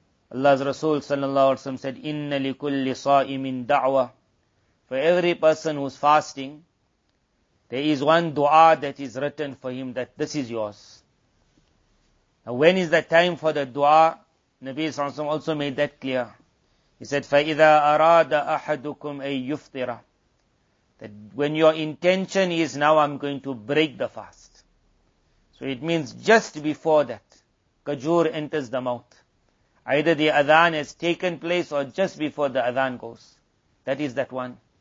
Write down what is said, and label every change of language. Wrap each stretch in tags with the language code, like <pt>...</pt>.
<en>Allah's Rasul sallallahu alayhi wa sallam said,</en> <ar>"Inna li kulli sa'imin da'wa."</ar> <en>For every person who's fasting, there is one dua that is written for him, that this is yours. Now when is the time for the dua? Nabi Sallallahu Alaihi Wasallam also made that clear. He said,</en> <ar>فَإِذَا أَرَادَ أَحَدُكُمْ أَن يُفْطِرَ.</ar> <en>That when your intention is, now I'm going to break the fast. So it means just before that, kajur enters the mouth. Either the adhan has taken place or just before the adhan goes. That is that one.</en>